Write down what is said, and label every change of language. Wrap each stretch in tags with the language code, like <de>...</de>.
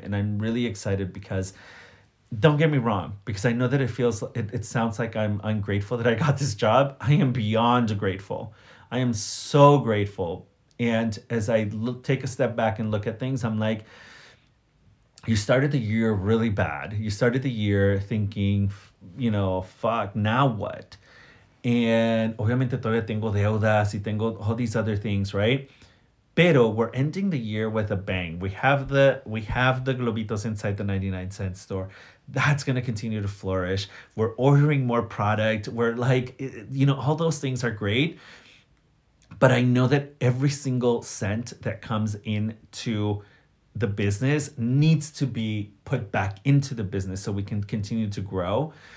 <en>And I'm really excited because, don't get me wrong, because I know that it sounds like I'm ungrateful that I got this job. I am beyond grateful. I am so grateful. And as I take a step back and look at things, I'm like, you started the year really bad. You started the year thinking, you know, fuck, now what? And</en> <es>obviamente todavía tengo deudas y tengo</es> <en>all these other things, right?</en> <es>Pero</es> <en>we're ending the year with a bang. We have the Globitos inside the 99 cent store. That's going to continue to flourish. We're ordering more product. We're like, you know, all those things are great. But I know that every single cent that comes into the business needs to be put back into the business so we can continue to grow.</en>